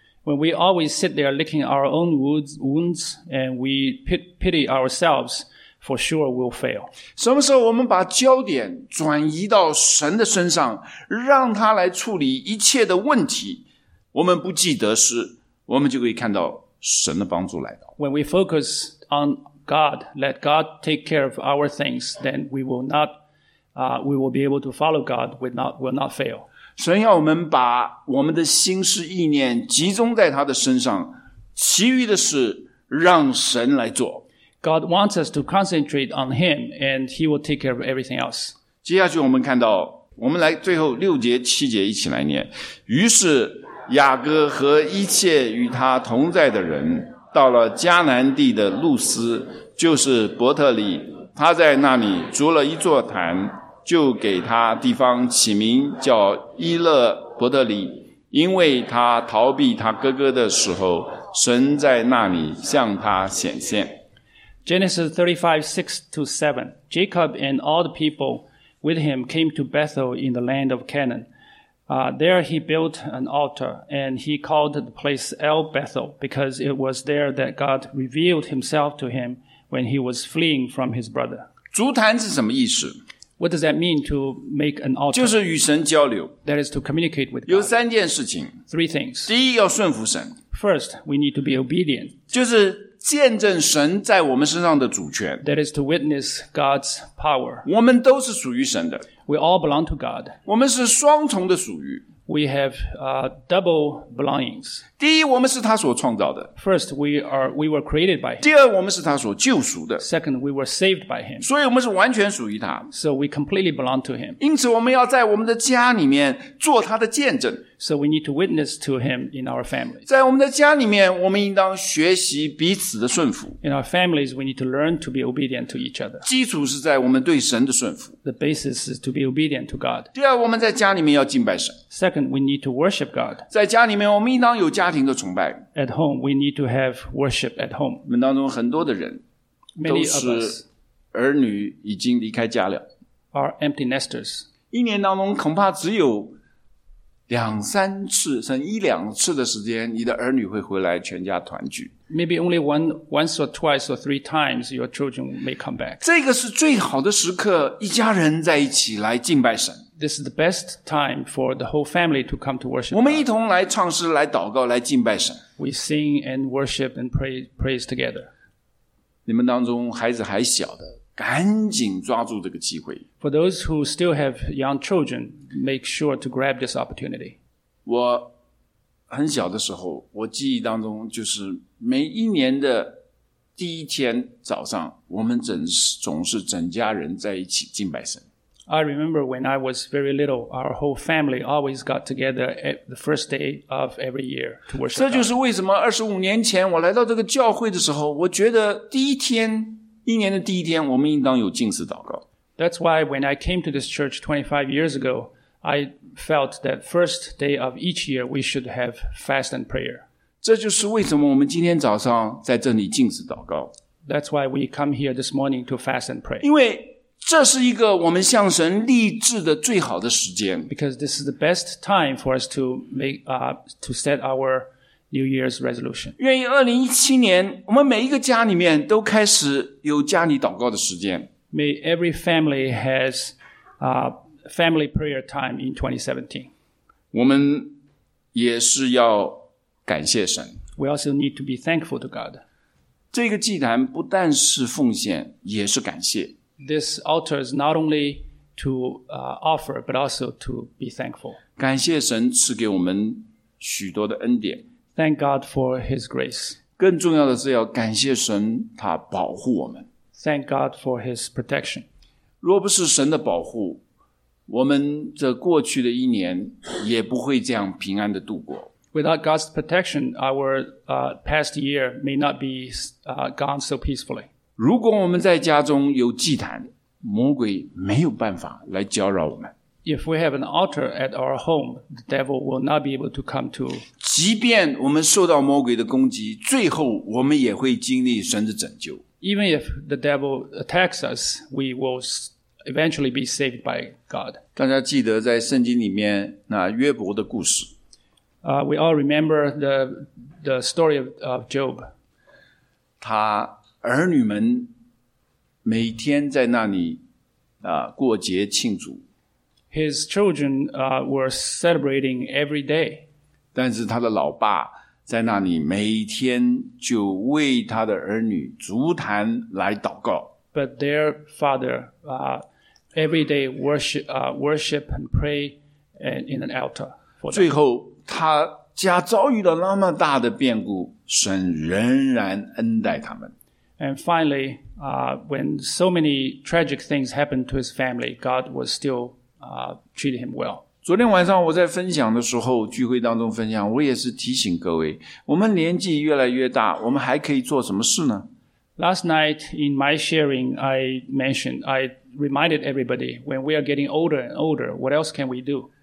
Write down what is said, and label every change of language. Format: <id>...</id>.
<en>When we always sit there licking our own wounds and we pity ourselves, for sure we'll fail.</en> <zh>什么时候我们把焦点转移到神的身上，让他来处理一切的问题，我们不计得失。我们就可以看到神的帮助来到。</zh> <en>When we focus on God, let God take care of our things, then we will be able to follow God, will not fail.</en> <zh>神要我们把我们的心思意念集中在他的身上，其余的事让神来做。</zh> <en>God wants us to concentrate on him, and he will take care of everything else.</en> <zh>接下去我们看到，我们来最后六节七节一起来念。于是雅各和一切与他同在的人到了迦南地的路斯，就是伯特利，他在那里筑了一座坛，就给他地方起名叫伊勒伯特利，因为他逃避他哥哥的时候，神在那里向他显现。</zh> <en>Genesis 35:6-7. Jacob and all the people with him came to Bethel in the land of Canaan. There he built an altar, and he called the place El Bethel, because it was there that God revealed himself to him when he was fleeing from his brother.</en> <zh>竹坛是什么意思？</zh> <en>What does that mean to make an altar?</en> <zh>就是与神交流。</zh> <en>That is to communicate with God.</en> <zh>有三件事情。</zh> <en>Three things.</en> <zh>第一，要顺服神。</zh> <en>First, we need to be obedient.</en> <zh>就是见证神在我们身上的主权。</zh> <en>That is to witness God's power.</en> <zh>我们都是属于神的。</zh> <en>We all belong to God.</en> <zh>我们是双重的属于。</zh> <en>We have double belongings.</en> <zh>第一，我们是他所创造的。</zh> <en>First, we were created by him.</en> <zh>第二，我们是他所救赎的。</zh> <en>Second, we were saved by him.</en> <zh>所以我们是完全属于他。</zh> <en>So we completely belong to him.</en> <zh>因此我们要在我们的家里面做他的见证。</zh> <en>So we need to witness to him in our family.</en> <zh>在我们的家里面，我们应当学习彼此的顺服。</zh> <en>In our families, we need to learn to be obedient to each other.</en> <zh>基础是在我们对神的顺服。</zh> <en>The basis is to be obedient to God.</en> <zh>第二，我们在家里面要敬拜神。</zh> <en>Second, we need to worship God.</en> <zh>在家里面，我们应当有家庭的崇拜。</zh> <en>At home, we need to have worship at home.</en> <zh>我们当中很多的人都是儿女已经离开家了。</zh> <en>Are empty nesters.</en> <zh>一年当中恐怕只有两三次，甚至一两次的时间，你的儿女会回来全家团聚。</zh> <en>Maybe only once or twice or three times your children may come back.</en> <zh>这个是最好的时刻，一家人在一起来敬拜神。</zh> <en>This is the best time for the whole family to come to worship.</en> <zh>我们一同来唱诗，来祷告，来敬拜神。</zh> <en>We sing and worship and praise together.</en> <zh>你们当中孩子还小的，赶紧抓住这个机会。</zh> <en>For those who still have young children, make sure to grab this opportunity.</en> <zh>我很小的时候，我记忆当中就是每一年的第一天早上，我们总是整家人在一起敬拜神。</zh> <en>I remember when I was very little, our whole family always got together at the first day of every year to worship.</en> <zh>这就是为什么25年前我来到这个教会的时候，我觉得第一天一年的第一天，我们应当有禁食祷告。</zh> <en>That's why when I came to this church 25 years ago, I felt that first day of each year we should have fast and prayer.</en> <zh>这就是为什么我们今天早上在这里禁食祷告。</zh> <en>That's why we come here this morning to fast and pray.</en> <zh>因为这是一个我们向神立志的最好的时间。</zh> <en>Because this is the best time for us to make to set our New Year's resolution.</en> <zh>愿意2017年，我们每一个家里面都开始有家里祷告的时间。</zh> <en>May every family has family prayer time in 2017.</en> <zh>我们也是要感谢神。</zh> <en>We also need to be thankful to God.</en> <zh>这个祭坛不但是奉献，也是感谢。</zh> <en>This altar is not only to offer, but also to be thankful.</en> <zh>感谢神赐给我们许多的恩典。</zh> <en>Thank God for His grace.</en> <zh>更重要的是要感谢神，他保护我们。</zh> <en>Thank God for His protection.</en> <zh>若不是神的保护，我们这过去的一年也不会这样平安的度过。</zh> <en>Without God's protection, our past year may not be gone so peacefully.</en> <zh>如果我们在家中有祭坛，魔鬼没有办法来搅扰我们。</zh> <en>If we have an altar at our home, the devil will not be able to come to.</en> <zh>即便我们受到魔鬼的攻击，最后我们也会经历神的拯救。</zh> <en>Even if the devil attacks us, we will eventually be saved by God.</en> <zh>大家记得在圣经里面那约伯的故事。</zh> <en>We all remember the story of Job.</en> <zh>他儿女们每天在那里过节庆祝。</zh> <en>His children were celebrating every day.</en> <zh>但是他的老爸在那里每天就为他的儿女筑坛来祷告。</zh> <en>But their father every day worship and pray in an altar.</en> <zh>最后他家遭遇了那么大的变故，神仍然恩待他们。</zh> <en>And finally, when so many tragic things happened to his family, God was still treat him well.</en> <zh>昨天晚上我在分享的时候，聚会当中分享，我也是提醒各位，我们年纪越来越大，我们还可以做什么事呢？</zh> <en>Last night in my sharing, I reminded everybody, when we are getting older and older, what else can we do?</en>